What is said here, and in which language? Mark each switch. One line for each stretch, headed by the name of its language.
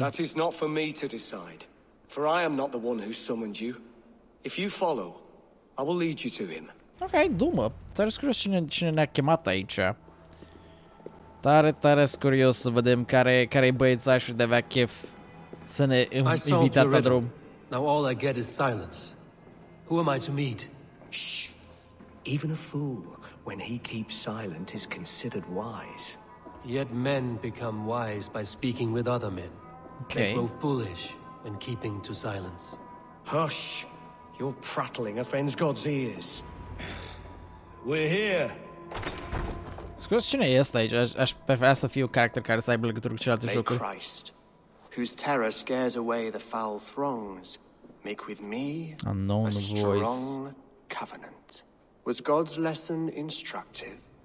English: That is not for me to decide, for I am not the one who summoned you. If you follow, I will lead you to him.
Romanian: Ok, du-mă. Tare scurios cine ne-a chemat aici. Tare, tare curios să vedem care-i băiețașul de avea chef să ne invite atât drum.
English: Now all I get is silence. Who am I to meet? Shh. Even a fool, when he keeps silent, is considered wise. Yet men become wise by speaking with other men. Okay. They grow foolish when keeping to silence. Hush! Your prattling offends God's ears. We're here.
Romanian: Scuze, cine e ăsta aici? Aș prefera să fie un caracter care să aibă legătură cu celelalte jocuri.
English: Christ, whose terror scares away the foul throngs, make with me unknown a voice. Strong covenant. Was God's lesson instructive?